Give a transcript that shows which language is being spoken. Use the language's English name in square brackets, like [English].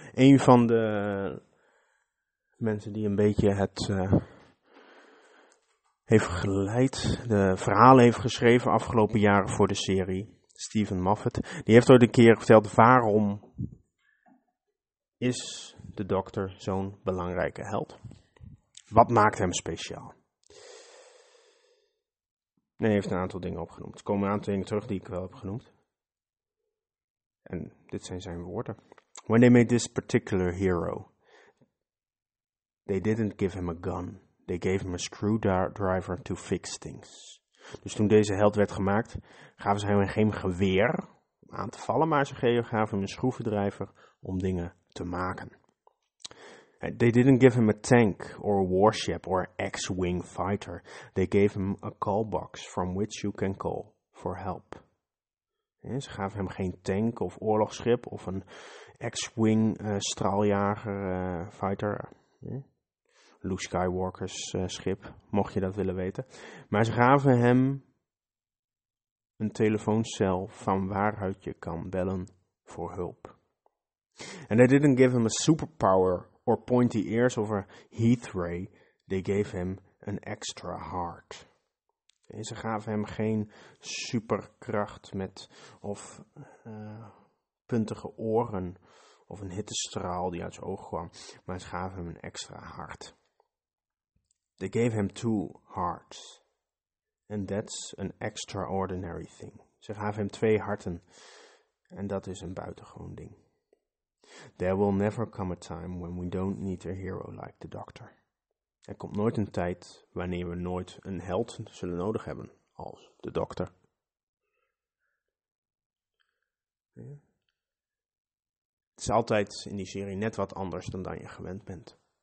[Dutch] Een van de mensen die een beetje het heeft geleid, de verhalen heeft geschreven afgelopen jaren voor de serie, Stephen Moffat, die heeft ooit een keer verteld waarom is de dokter zo'n belangrijke held? Wat maakt hem speciaal? Nee, hij heeft een aantal dingen opgenoemd. Er komen een aantal dingen terug die ik wel heb genoemd. En dit zijn zijn woorden. [English] When they made this particular hero, they didn't give him a gun. They gave him a screwdriver to fix things. [Dutch] Dus toen deze held werd gemaakt, gaven ze hem geen geweer om aan te vallen, maar ze gaven hem een schroevendrijver om dingen te maken. [English] They didn't give him a tank or a warship or an X-wing fighter. They gave him a call box from which you can call for help. [Dutch] Ze gaven hem geen tank of oorlogsschip of een X-wing straaljager fighter. Luke Skywalker's schip, mocht je dat willen weten. Maar ze gaven hem een telefooncel van waaruit je kan bellen voor hulp. [English] And they didn't give him a superpower or pointy ears of a heat ray. They gave him an extra heart. [Dutch] En ze gaven hem geen superkracht met of puntige oren of een hittestraal die uit zijn ogen kwam, maar ze gaven hem een extra hart. [English] They gave him two hearts. And that's an extraordinary thing. [Dutch] Ze gaven hem twee harten. En dat is een buitengewoon ding. [English] There will never come a time when we don't need a hero like the doctor. [Dutch] Er komt nooit een tijd wanneer we nooit een held zullen nodig hebben als de dokter. Ja. Het is altijd in die serie net wat anders dan je gewend bent.